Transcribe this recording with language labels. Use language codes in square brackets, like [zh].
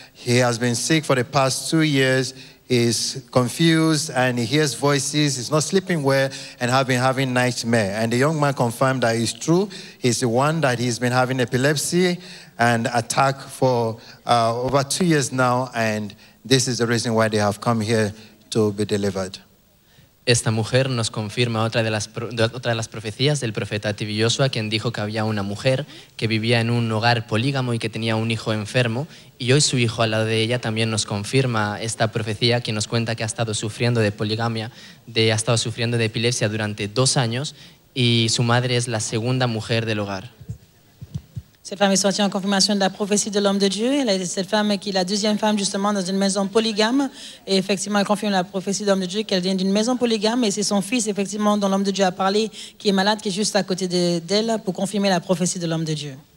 [en] He has been sick for the past 2 years. Is confused and he hears voices, he's not sleeping well, and have been having nightmare. And the young man confirmed that it's true. He's the one that he's been having epilepsy and attack for over 2 years now, and this is the reason why they have come here to be delivered. [es] Esta mujer nos confirma otra de las profecías del profeta T.B. Joshua, quien dijo que había una mujer que vivía en un hogar polígamo y que tenía un hijo enfermo. Y hoy su hijo al lado de ella también nos confirma esta profecía, quien nos cuenta que ha estado sufriendo de poligamia, ha estado sufriendo de epilepsia durante 2 años y su madre es la segunda mujer del hogar. [fr] Cette femme est sortie en confirmation de la prophétie de l'homme de Dieu. Elle est cette femme qui est la deuxième femme justement dans une maison polygame. Et effectivement, elle confirme la prophétie de l'homme de Dieu qu'elle vient d'une maison polygame. Et c'est son fils effectivement dont l'homme de Dieu a parlé qui est malade, qui est juste à côté d'elle pour confirmer la prophétie de l'homme de Dieu.